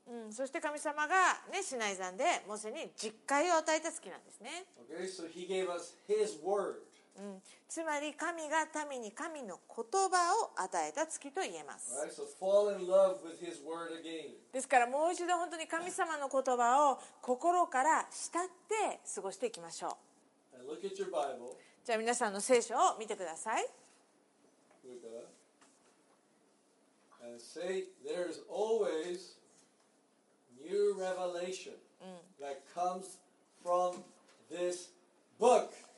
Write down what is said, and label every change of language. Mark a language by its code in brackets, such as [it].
[ja] そして神様が、ね、シナイ山でモーセに十戒を与えた月なんですね。 [en] Okay, so he gave us his word. [ja] つまり神が民に神の言葉を与えた月と言えます。 [en] Right, so fall in love with his word again. [ja] ですからもう一度本当に神様の言葉を心から慕って過ごしていきましょう。 [en] And look at your Bible. [ja] じゃあ皆さんの聖書を見てください。 [en] And say there is always new revelation that comes from this book.